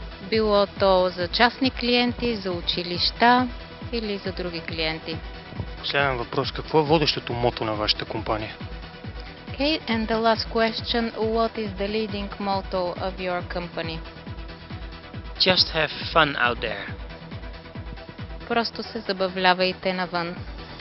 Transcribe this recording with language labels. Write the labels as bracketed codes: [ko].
[bg] Било то за частни клиенти, за училища или за други клиенти. Последен въпрос. Какво е водещото мото на вашата компания? [en] Okay, and the last question, what is the leading motto of your company? Just have fun out there. [bg] Просто се забавлявайте навън.